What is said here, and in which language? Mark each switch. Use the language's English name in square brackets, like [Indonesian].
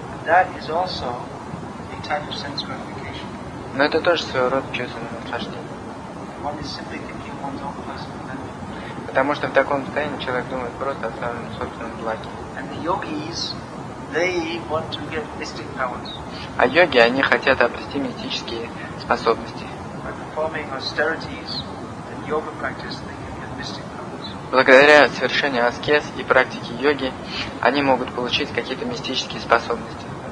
[English] That is also a type of sense gratification. [Russian] Но это тоже своего рода чувственное наслаждение. [English] One is simply thinking one's own personal benefit. [Russian] Потому что в таком состоянии человек думает просто о своем собственном благе. [English] And the yogis, they want to get mystic powers. [Russian] А йоги, они хотят обрести мистические способности. [English] By performing austerities and yoga practice, they can get mystic powers. [Russian] Благодаря совершению аскез и практике йоги, они могут получить какие-то мистические способности.